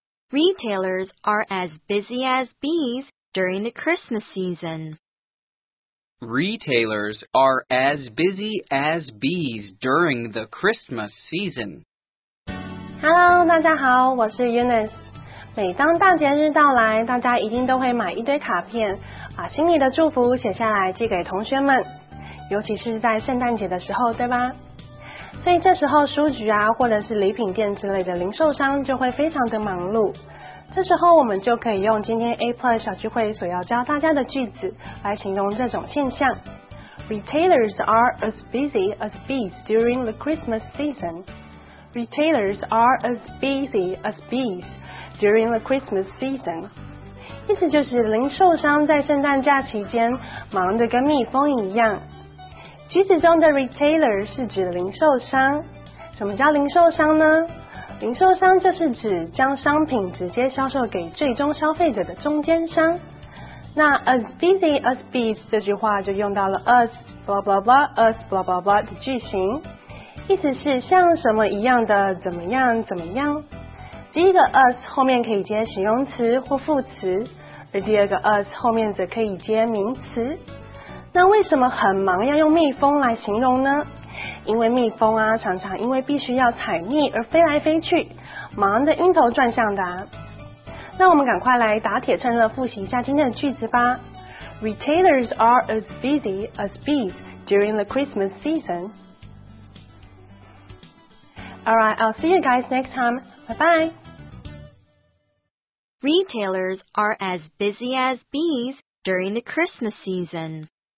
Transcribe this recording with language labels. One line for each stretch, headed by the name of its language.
English: Retailers are as busy as bees during the Christmas season. Retailers are as busy as bees during the Christmas season.
Chinese: Hello, 大家好，我是 Eunice。每当大节日到来，大家一定都会买一堆卡片，把心里的祝福写下来寄给同学们，尤其是在圣诞节的时候，对吧？所以这时候书局啊，或者是礼品店之类的零售商就会非常的忙碌。这时候我们就可以用今天 A Plus 小聚会所要教大家的句子来形容这种现象。
English: Retailers are as busy as bees during the Christmas season. Retailers are as busy as bees during the Christmas season.
Chinese: 意思就是零售商在圣诞假期间忙得跟蜜蜂一样。句子中的 retailer 是指零售商。什么叫零售商呢？零售商就是指将商品直接销售给最终消费者的中间商。那
English: as busy as bees
Chinese: 这句话就用到了 as blah blah blah as blah blah blah 的句型，意思是像什么一样的怎么样怎么样。第一个 as 后面可以接形容词或副词，而第二个 as 后面则可以接名词。那为什么很忙要用蜜蜂来形容呢？因为蜜蜂啊，常常因为必须要采蜜而飞来飞去，忙得晕头转向的、啊。那我们赶快来打铁趁热复习一下今天的句子吧。
English: Retailers are as busy as bees during the Christmas season. Alright, I'll see you guys next time. Bye-bye. Retailers are as busy as bees during the Christmas season.